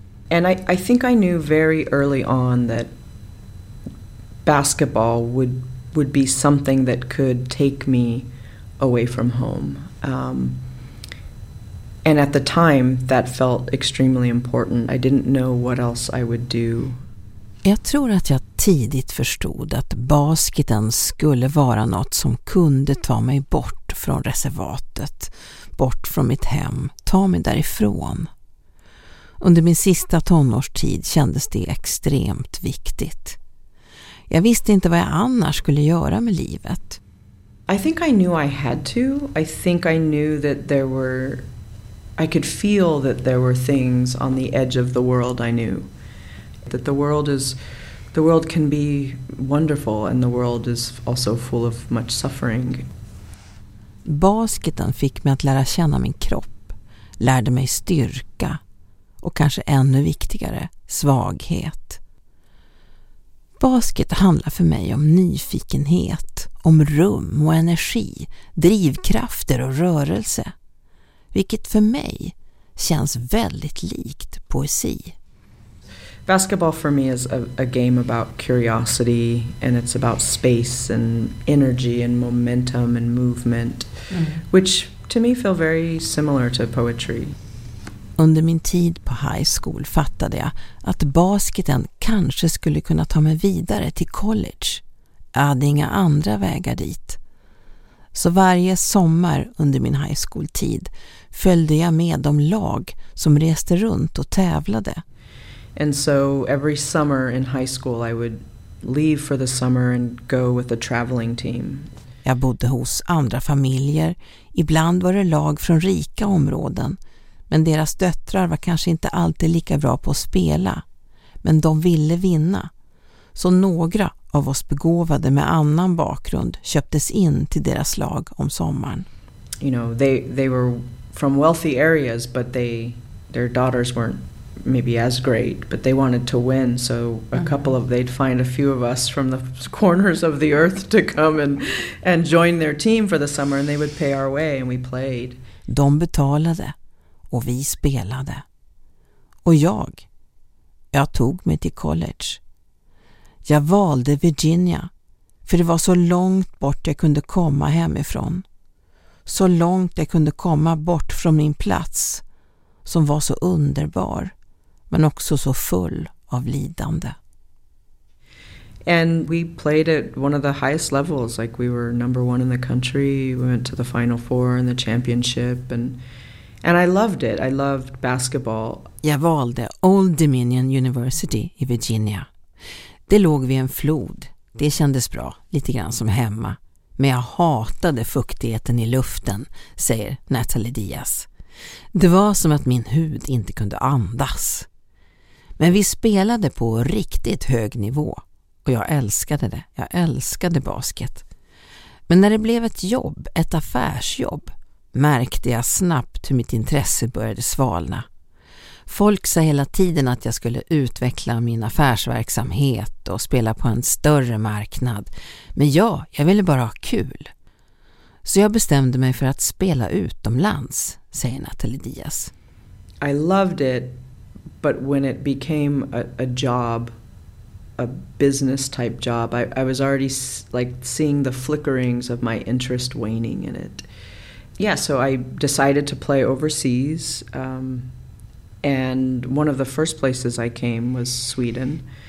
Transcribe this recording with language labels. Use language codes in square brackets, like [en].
[en] And I think I knew very early on that basketball would be something that could take me away from home. And at the time, that felt extremely important. I didn't know what else I would do. [sv] Jag tror att jag tidigt förstod att basketen skulle vara något som kunde ta mig bort från reservatet, bort från mitt hem, ta mig därifrån. Under min sista tonårstid kändes det extremt viktigt. Jag visste inte vad jag annars skulle göra med livet. [en] I think I knew I had to. I think I knew that there were, I could feel that there were things on the edge of the world I knew. That the world can be wonderful and the world is also full of much suffering. [sv] Basketen fick mig att lära känna min kropp, lärde mig styrka och kanske ännu viktigare, svaghet. Basket handlar för mig om nyfikenhet, om rum och energi, drivkrafter och rörelse. Vilket för mig känns väldigt likt poesi. [en] Basketball for me is a game about curiosity and it's about space and energy and momentum and movement, which to me feel very similar to poetry. [sv] Under min tid på high school fattade jag att basketen kanske skulle kunna ta mig vidare till college. Jag hade inga andra vägar dit. Så varje sommar under min high school-tid följde jag med de lag som reste runt och tävlade. [en] And so every summer in high school I would leave for the summer and go with a traveling team. [sv] Jag bodde hos andra familjer. Ibland var det lag från rika områden. Men deras döttrar var kanske inte alltid lika bra på att spela. Men de ville vinna. Så några av oss begåvade med annan bakgrund köptes in till deras lag om sommaren. [en] You know, they were from wealthy areas but their daughters weren't maybe as great, but they wanted to win, so a couple of they'd find a few of us from the corners of the earth to come and join their team for the summer, and they would pay our way, and we played. [sv] De betalade, och vi spelade. Och jag tog mig till college. Jag valde Virginia, för det var så långt bort jag kunde komma hemifrån. Så långt jag kunde komma bort från min plats, som var så underbar. Men också så full av lidande. [en] And we played at one of the highest levels, like we were number one in the country. We went to the Final Four and the championship, and I loved it. I loved basketball. [sv] Jag valde Old Dominion University i Virginia. Det låg vid en flod. Det kändes bra, lite grann som hemma. Men jag hatade fuktigheten i luften, säger Natalie Diaz. Det var som att min hud inte kunde andas. Men vi spelade på riktigt hög nivå och jag älskade det. Jag älskade basket. Men när det blev ett jobb, ett affärsjobb, märkte jag snabbt hur mitt intresse började svalna. Folk sa hela tiden att jag skulle utveckla min affärsverksamhet och spela på en större marknad. Men jag ville bara ha kul. Så jag bestämde mig för att spela utomlands, säger Natalie Diaz. [en] I loved it. But when it became a job, a business type job, I was already like seeing the flickerings of my interest waning in it. Yeah, so I decided to play overseas. And one of the first places I came was Sweden.